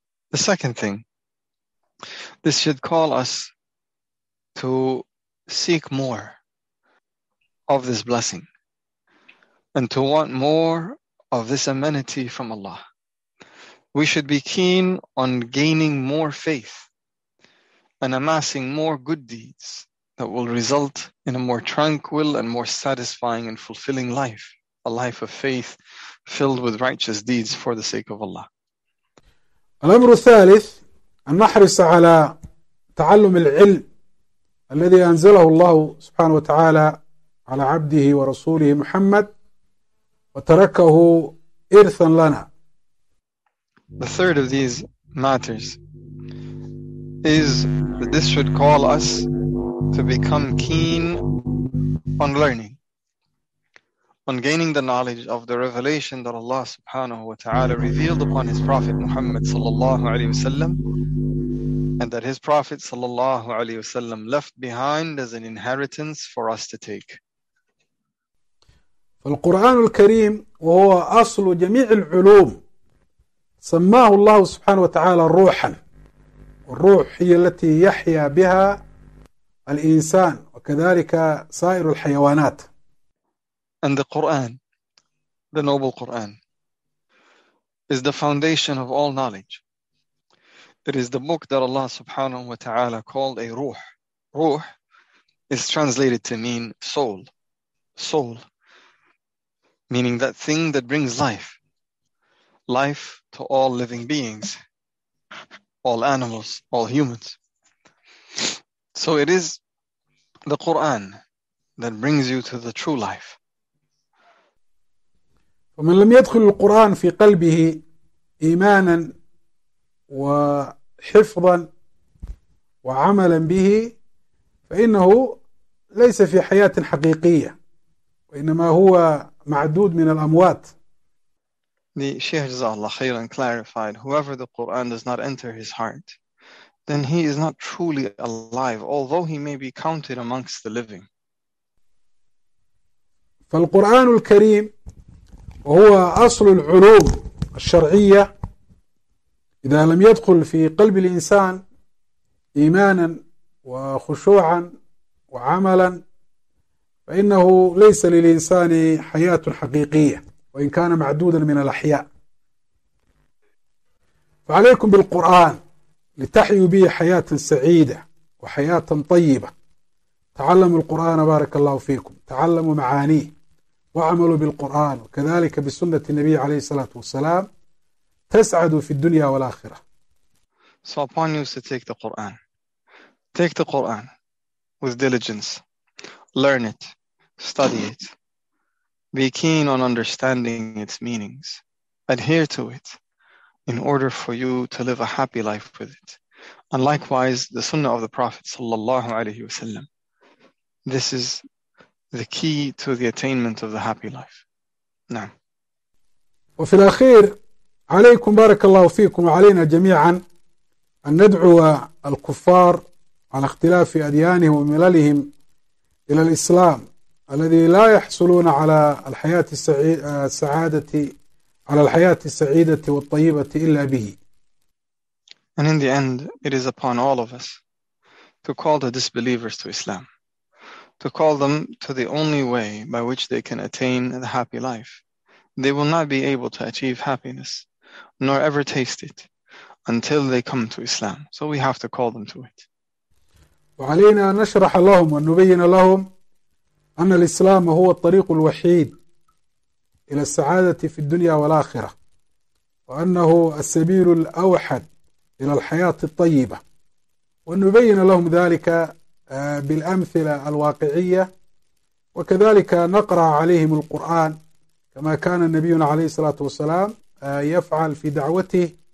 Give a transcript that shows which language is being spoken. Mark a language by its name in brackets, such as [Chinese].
[English] The second thing, this should call us to seek more of this blessing and to want more of this amenity from Allah. We should be keen on gaining more faith and amassing more good deeds that will result in a more tranquil and more satisfying and fulfilling life, a life of faith filled with righteous deeds for the sake of Allah. [Arabic] الأمر الثالث أن نحرص على تعلم العلم الذي أنزله الله سبحانه وتعالى على عبده ورسوله محمد وتركه إرثا لنا. [English] The third of these matters is that this should call us to become keen on learning, on gaining the knowledge of the revelation that Allah subhanahu wa ta'ala revealed upon His Prophet Muhammad sallallahu alayhi wasallam, and that His Prophet sallallahu alayhi wasallam left behind as an inheritance for us to take. [Arabic] فالقرآن الكريم وهو أصل جميع العلوم سماه الله سبحانه وتعالى روحا، والروح هي التي يحيا بها الإنسان وكذلك سائر الحيوانات. [English] And the Quran, the noble Quran, is the foundation of all knowledge. It is the book that Allah subhanahu wa ta'ala called a ruh. Ruh is translated to mean soul. Soul, meaning that thing that brings life. Life to all living beings, all animals, all humans. So it is the Quran that brings you to the true life. [Arabic] ومن لم يدخل القرآن في قلبه إيمانا وحفظا وعملا به فإنه ليس في حياة حقيقية وإنما هو معدود من الأموات. [English] The Shaykh Jazallah Khairan clarified, whoever the Quran does not enter his heart, then he is not truly alive, although he may be counted amongst the living. [Arabic] فالقرآن الكريم وهو أصل العلوم الشرعية إذا لم يدخل في قلب الإنسان إيمانا وخشوعا وعملا فإنه ليس للإنسان حياة حقيقية وإن كان معدودا من الأحياء. فعليكم بالقرآن لتحيوا به حياة سعيدة وحياة طيبة. تعلموا القرآن بارك الله فيكم، تعلموا معانيه وعملوا بالقرآن وكذلك بسنة النبي عليه الصلاة والسلام تسعدوا في الدنيا والآخرة. [English] So upon you is to take the Quran. Take the Quran with diligence. Learn it. Study it. Be keen on understanding its meanings. Adhere to it in order for you to live a happy life with it. And likewise, the Sunnah of the Prophet sallallahu alayhi wa sallam. This is the key to the attainment of the happy life. [Arabic] نعم. وفي الأخير عليكم بارك الله فيكم وعلينا جميعا أن ندعو الكفار على اختلاف أديانهم ومللهم إلى الإسلام الذي لا يحصلون على الحياة السعادة على الحياة السعيدة والطيبة إلا به. [English] And in the end, it is upon all of us to call the disbelievers to Islam. To call them to the only way by which they can attain the happy life. They will not be able to achieve happiness, nor ever taste it, until they come to Islam. So we have to call them to it. [Arabic] وعلينا نشرح لهم ونبين لهم أن الإسلام هو الطريق الوحيد إلى السعادة في الدنيا والآخرة، وأنه السبيل الأوحد إلى الحياة الطيبة، ونبين لهم ذلك بالأمثلة الواقعية وكذلك نقرأ عليهم القرآن كما كان النبي عليه الصلاة والسلام يفعل في دعوته.